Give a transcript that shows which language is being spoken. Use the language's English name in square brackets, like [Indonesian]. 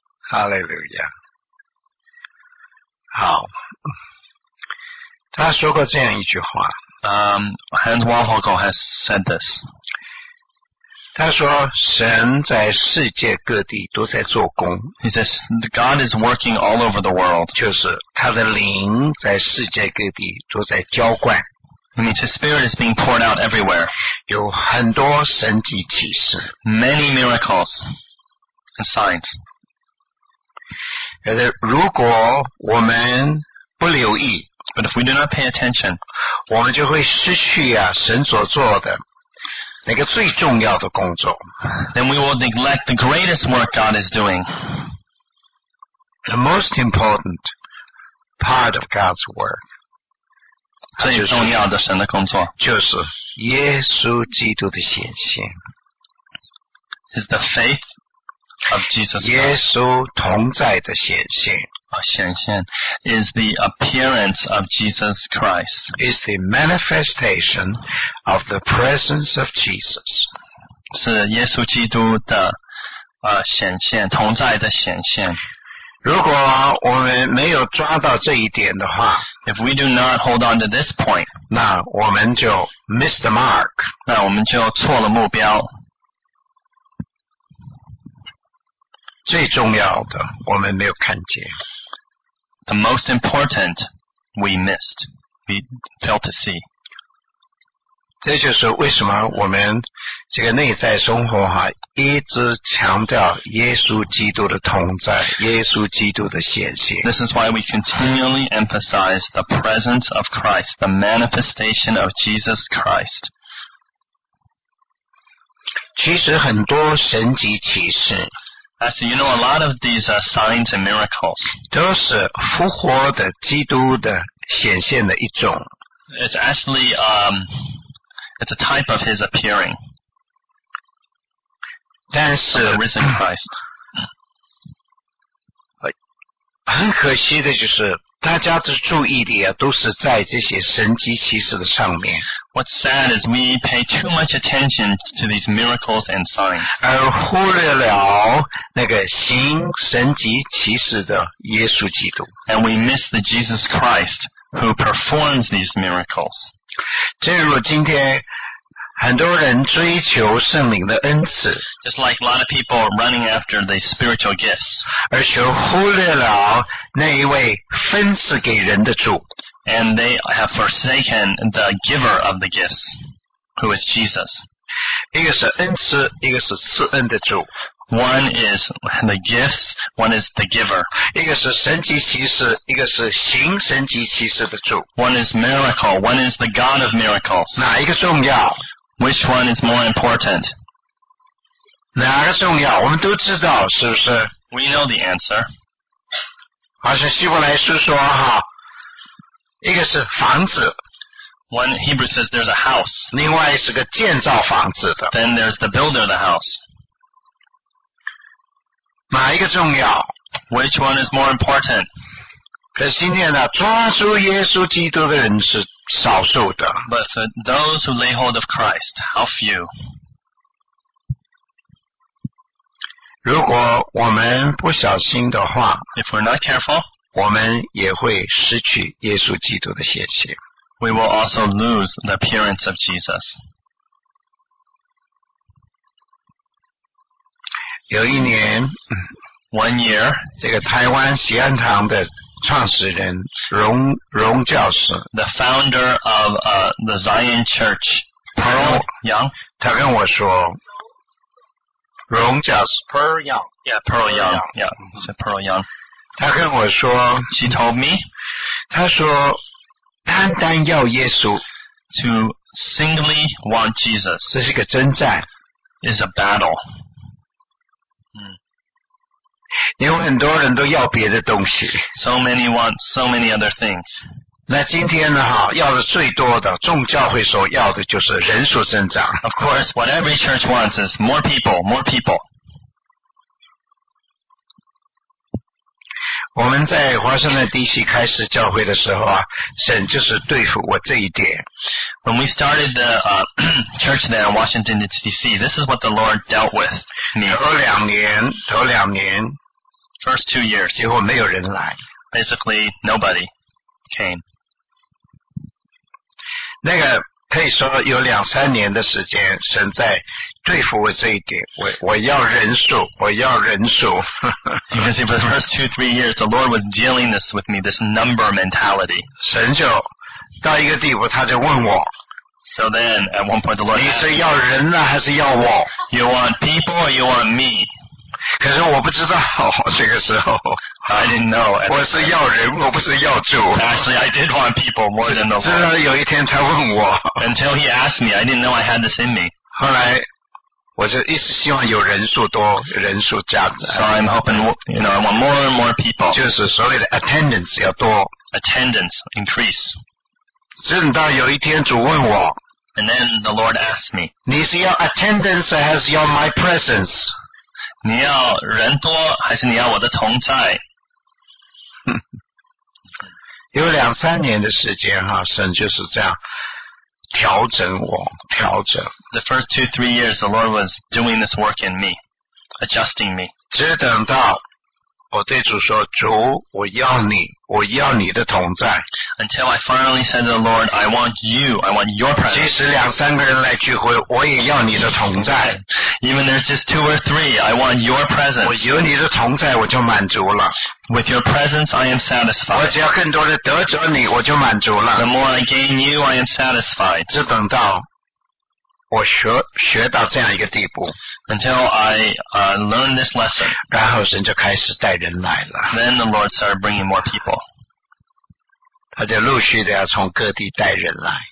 [English] Hallelujah. [Chinese] 好，他说过这样一句话。 [English] Hans Waldfogel has said this. [Chinese] 他说神在世界各地都在做工。 [English] He says, God is working all over the world. [Chinese] 就是他的灵在世界各地都在浇灌。 [English] I mean, his spirit is being poured out everywhere. [Chinese] 有很多神迹奇事。 [English] Many miracles and signs. [Chinese] 如果我们不留意， [English] But if we do not pay attention, [Chinese] 我们就会失去啊神所做的。那个最重要的工作。 [English] Then we will neglect the greatest work God is doing. The most important part of God's work. [Chinese] 最重要的神的工作。就是耶稣基督的显现。 [English] Is the faith of Jesus [Chinese] Christ. 耶稣同在的显现。 [English] 显现 is the appearance of Jesus Christ. Is the manifestation of the presence of Jesus. [Chinese] 是耶稣基督的显现，同在的显现。如果我们没有抓到这一点的话， [English] If we do not hold on to this point, [Chinese] 那我们就 [English] miss the mark. [Chinese] 那我们就错了目标。最重要的，我们没有看见。 [English] The most important we missed, we failed to see. [Chinese] 这就是为什么我们这个内在生活哈，一直强调耶稣基督的同在，耶稣基督的显现。 [English] This is why we continually emphasize the presence of Christ, the manifestation of Jesus Christ. [Chinese] 其实很多神迹奇事 [English] I said, you know, a lot of these are signs and miracles. [Chinese] 都是复活的基督的显现的一种 [English] It's actually, it's a type of his appearing. [Chinese] 但是 [English] the risen Christ. [Chinese] 很可惜的就是大家的注意力啊，都是在这些神迹奇事的上面。 [English] What's sad is we pay too much attention to these miracles and signs， [Chinese] 而忽略了那个行神迹奇事的耶稣基督。 [English] And we miss the Jesus Christ who performs these miracles。 [Chinese] 正如今天很多人追求圣灵的恩赐 [English] ，just like a lot of people are running after the spiritual gifts， [Chinese] 而却忽略了那一位分赐给人的主 [English] ，and they have forsaken the giver of the gifts， who is Jesus。 [Chinese] 一个是恩赐，一个是赐恩的主。 [English] One is the gifts, one is the giver. [Chinese] 一个是神迹奇事，一个是行神迹奇事的主。 [English] One is miracle, one is the God of miracles. [Chinese] 哪一个重要？ [English] Which one is more important? [Chinese] 哪个重要？我们都知道，是不是 [English] ？We know the answer. [Chinese] 好像希伯来书说哈，一个是房子。 [English] One Hebrew says there's a house. [Chinese] 另外是个建造房子的。 [English] Then there's the builder of the house. [Chinese] 哪一个重要 [English] ？Which one is more important? [Chinese] 可是今天呢，抓住耶稣基督的人是。少数的 [English] But for those who lay hold of Christ, how few? [Chinese] 如果我们不小心的话 [English] If we're not careful, [Chinese] 我们也会失去耶稣基督的显现 [English] We will also lose the appearance of Jesus. [Chinese] 有一年 [English] One year, [Chinese] 这个台湾锡安堂的创始人荣教士 [English] The founder of the Zion Church Pearl Young [Chinese] 他跟我说荣教士 [English] Pearl Young Yeah, Pearl Young Yeah, it's Pearl Young [Chinese] 他跟我说 [English] She told me [Chinese] 他说单单要耶稣 [English] To singly want Jesus [Chinese] 这是个征战 [English] It's a battle [Chinese] 因为很多人都要别的东西 [English] So many want so many other things [Chinese] 那今天呢要的最多的众教会所要的就是人数增长 [English] Of course, what every church wants is more people, more people [Chinese] 我们在华盛顿 DC 开始教会的时候啊，神就是对付我这一点 [English] When we started the church there in Washington DC This is what the Lord dealt with me [Chinese] 头两年 [English] First 2 years, [Chinese] 结果没有人来。 [English] Basically, nobody came. [Chinese] 那个可以说有两三年的时间，神在对付我这一点。我要人数。 [English] Because for the first 2-3 years, the Lord was dealing this with me, this number mentality. [Chinese] 神就到一个地步，他就问我。 [English] So then, at one point, the Lord. [Chinese] 你是要人呢，还是要我 [English] ？You want people or you want me? [Chinese] 可是我不知道这个时候 [English] I didn't know [Chinese] 我是要人我不是要主 [English] Actually I did want people more than the Lord [Chinese] 直到有一天他问我 [English] Until he asked me I didn't know I had this in me [Chinese] 后来我就一直希望有人数多人数加 [English] So I'm hoping you know, I want more and more people [Chinese] 就是所谓的 attendance 要多 [English] Attendance increase [Chinese] 直到有一天主问我 [English] And then the Lord asked me [Chinese] 你是要 attendance 还是要 [English] my presence [Chinese] 你要人多还是你要我的同在有两三年的时间哈神就是这样调整我调整 [English] The first 2-3 years the Lord was doing this work in me adjusting me [Chinese] 直等到我对主说主我要你的同在 [English] Until I finally said to the Lord I want you I want your presence [Chinese] 即使两三个人来聚会我也要你的同在 [English] Even there's just 2 or 3 I want your presence [Chinese] 我有你的同在我就满足了 [English] With your presence I am satisfied [Chinese] 我只要更多的得着你我就满足了 [English] The more I gain you I am satisfied [Chinese] 直等到我学到这样一个地步 [English] Until I learned this lesson [Chinese] 然后神就开始带人来了 [English] Then the Lord started bringing more people [Chinese] 他就陆续的要从各地带人来